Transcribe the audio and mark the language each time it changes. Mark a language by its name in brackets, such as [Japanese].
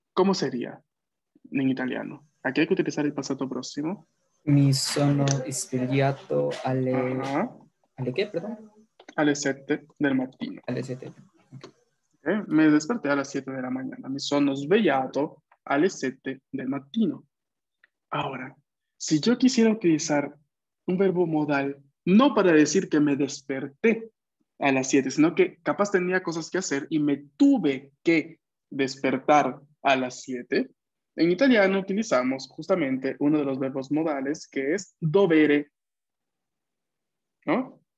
[Spanish] ¿Cómo sería en italiano? Aquí hay que utilizar el pasado próximo. [Italian] Mi sono svegliato alle... Uh-huh. ¿Alle [Spanish] qué, perdón? [Italian] Alle 7 del mattino. Alle 7. Okay. [Spanish] Me desperté a las 7 de la mañana. [Italian] Mi sono svegliato alle 7 del mattino. [Spanish] Ahora, si yo quisiera utilizar un verbo modal, no para decir que me desperté a las 7, sino que capaz tenía cosas que hacer y me tuve que despertar a las 7, en italiano utilizamos justamente uno de los verbos modales, que es dovere, ¿no?